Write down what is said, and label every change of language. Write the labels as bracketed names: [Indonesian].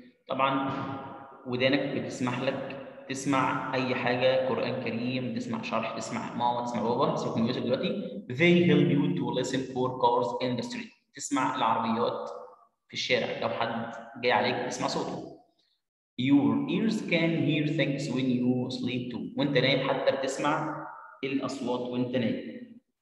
[Arabic] طبعا ودانك بتسمح لك تسمع اي حاجه، قران كريم، تسمع شرح، تسمع ماما، تسمع بابا، تسمع ميوزك دلوقتي. [English] They help you to listen for cars in the street. [Arabic] تسمع العربيات في الشارع لو حد جاي عليك تسمع صوته. [English] Your ears can hear things when you sleep too. [Arabic] وانت نايم حتى بتسمع الاصوات وانت نايم.